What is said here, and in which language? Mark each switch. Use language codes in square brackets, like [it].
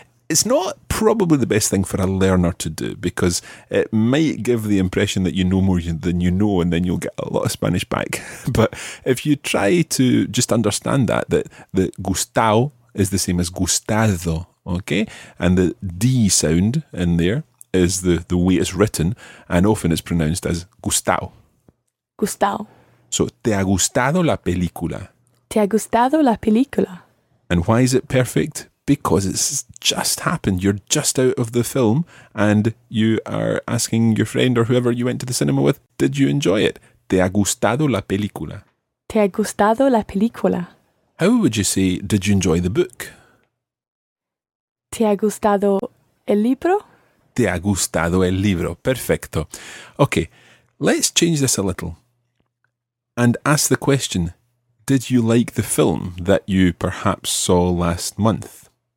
[en] It's not probably the best thing for a learner to do because it might give the impression that you know more than you know and then you'll get a lot of Spanish back. But if you try to just understand that gustado is the same as gustado, okay? And the D sound in there is the way it's written, and often it's pronounced as gustao. [es] Gustao. So, te ha gustado la película. Te ha gustado la película. [en] And why is it perfect? Because it's just happened. You're just out of the film, and you are asking your friend or whoever you went to the cinema with, did you enjoy it? [es] Te ha gustado la película. Te ha gustado la película. [en] How would you say, did you enjoy the book? [es] ¿Te ha gustado el libro? ¿Te ha gustado el libro? Perfecto. [en] Okay, let's change this a little and ask the question, did you like the film that you perhaps saw last month?